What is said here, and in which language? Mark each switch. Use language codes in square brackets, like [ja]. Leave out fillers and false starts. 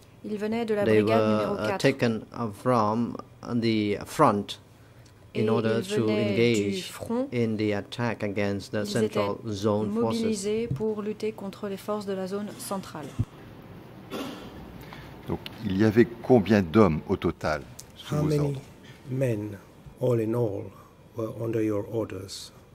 [en] They were taken from the front in order to engage in the attack against the central zone forces. [fr] Ils étaient mobilisés pour lutter contre les forces de la zone centrale. Donc, il y avait combien d'hommes au total? [en] How many men, all in all, were under your orders?